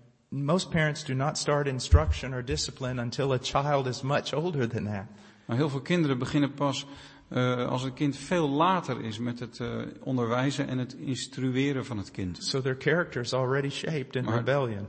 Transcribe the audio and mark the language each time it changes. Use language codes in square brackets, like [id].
[en] Most parents do not start instruction or discipline until a child is much older than that. [nl] Maar heel veel kinderen beginnen pas als een kind veel later is met het onderwijzen en het instrueren van het kind. [en] So their character is already shaped in rebellion.